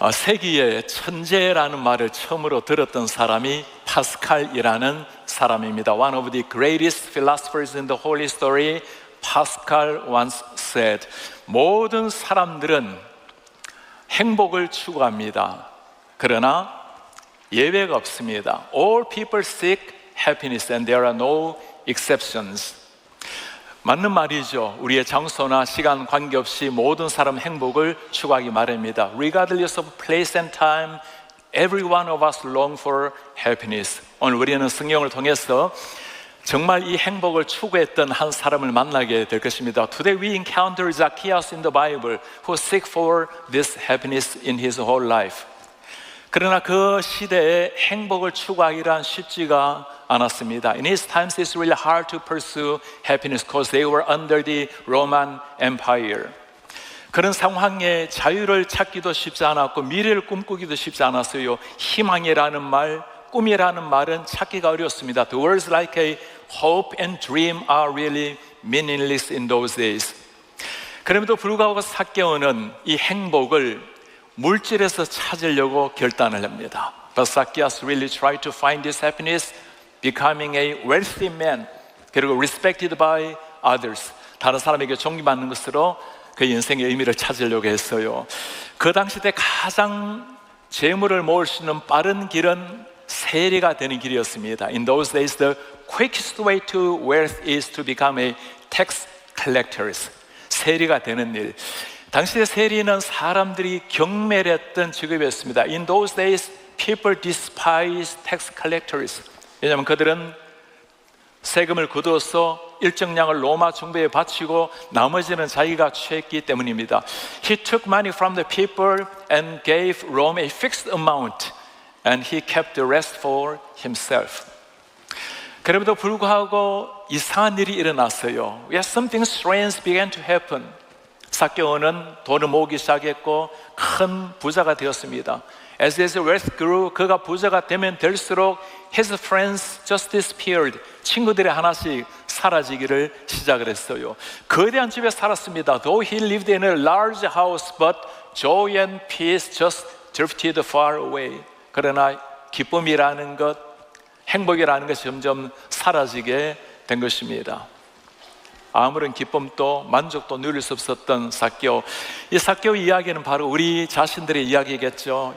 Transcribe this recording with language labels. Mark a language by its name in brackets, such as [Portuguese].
[Korean] 세기에 천재라는 말을 처음으로 들었던 사람이 파스칼이라는 사람입니다. [English] One of the greatest philosophers in the whole history, Pascal once said, [Korean] 모든 사람들은 행복을 추구합니다. 그러나 예외가 없습니다. [English] All people seek happiness and there are no exceptions. [Korean] 맞는 말이죠. 우리의 장소나 시간 관계없이 모든 사람 행복을 추구하기 마련입니다. [English] Regardless of place and time, every one of us long for happiness. [Korean] 오늘 우리는 성경을 통해서 정말 이 행복을 추구했던 한 사람을 만나게 될 것입니다. [English] Today we encounter Zacchaeus in the Bible who seek for this happiness in his whole life. [Korean] 그러나 그 시대에 행복을 추구하기란 쉽지가 않았습니다. [English] In his times it's really hard to pursue happiness because they were under the Roman Empire. [Korean] 그런 상황에 자유를 찾기도 쉽지 않았고 미래를 꿈꾸기도 쉽지 않았어요. 희망이라는 말, 꿈이라는 말은 찾기가 어려웠습니다. [English] The words like a hope and dream are really meaningless in those days. [Korean] 그럼에도 불구하고 삭개오는 이 행복을 물질에서 찾으려고 결단을 합니다. [English] But Zacchaeus really tried to find his happiness becoming a wealthy man, [Korean] 그리고 [English] respected by others, [Korean] 다른 사람에게 존경받는 것으로 그 인생의 의미를 찾으려고 했어요. 그 당시 때 가장 재물을 모을 수 있는 빠른 길은 세리가 되는 길이었습니다. [English] In those days, the quickest way to wealth is to become a tax collector. [Korean] 세리가 되는 일. 당시의 세리는 사람들이 경멸했던 직업이었습니다. [English] In those days, people despise tax collectors. [Korean] 왜냐하면 그들은 세금을 거둬서 일정량을 로마 정부에 바치고 나머지는 자기가 취했기 때문입니다. [English] He took money from the people and gave Rome a fixed amount and he kept the rest for himself. [Korean] 그럼에도 불구하고 이상한 일이 일어났어요. [English] Yes, something strange began to happen. [Korean] 삭개오는 돈을 모으기 시작했고 큰 부자가 되었습니다. [English] As his wealth grew, [Korean] 그가 부자가 되면 될수록 [English] his friends just disappeared. [Korean] 친구들이 하나씩 사라지기를 시작을 했어요. 거대한 집에 살았습니다. [English] Though he lived in a large house, but joy and peace just drifted far away. [Korean] 그러나 기쁨이라는 것, 행복이라는 것이 점점 사라지게 된 것입니다. 아무런 기쁨도 만족도 누릴 수 없었던 삭개오. 이 삭개오의 이야기는 바로 우리 자신들의 이야기겠죠.